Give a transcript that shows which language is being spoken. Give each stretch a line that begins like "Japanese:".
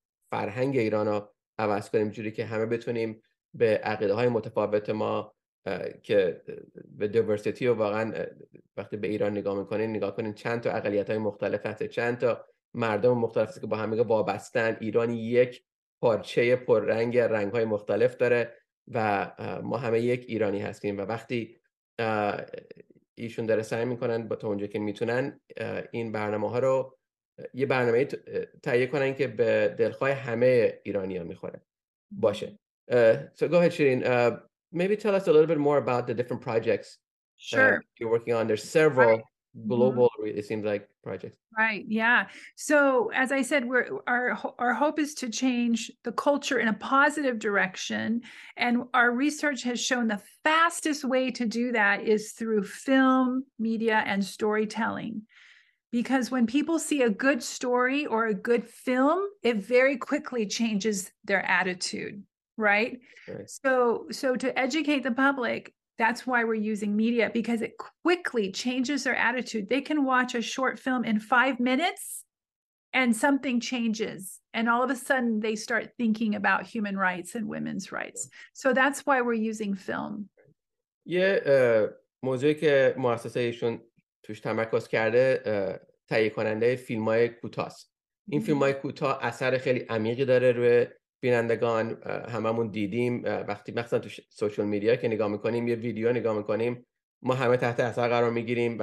Persian: فرهنگ ایرانو عوض کنیم جوری که همه بتونیم به عقیده های متفاوت ما که به دیورسیتی و واقعا وقتی به ایران نگاه کنین چند تا اقلیت های مختلف هسته چند تا مردم مختلف هسته که با همیگه وابستن ایران یک پارچه پررنگ رنگ های مختلف داره و ما همه یک ایرانی هستیم و وقتی ایشون داره سعی میکنن با تا اونجا که میتونن این برنامه ها رو یه برنامه تهیه کنن که به دلخواه همه ایرانی ها میخوره باشه.
English: So go ahead, Shirin. Maybe tell us a little bit more about the different projects you're working on. There's several global, mm-hmm. it seems like, projects. Right, yeah. So as I said, our hope is to change the culture in a positive direction. And our research has shown the fastest way to do that is through film, media, and storytelling. Because when people see a good story or a good film, it very quickly changes their attitude. Right? So to educate the public, That's why we're using media, because it quickly changes their attitude. They can watch a short film in 5 minutes and something changes. And all of a sudden they start thinking about human rights and women's rights. So that's why we're using film.
Persian: یه موضوعی که مؤسسه ایشون توش تمرکز کرده تهیه کننده فیلم‌های کوتاست. این فیلم‌های کوتاه اثر خیلی عمیقی داره روی بینندگان. هممون دیدیم وقتی مثلا تو سوشال میدیا که نگاه می‌کنیم، یه ویدیو نگاه می‌کنیم، ما همه تحت اثر قرار می‌گیریم.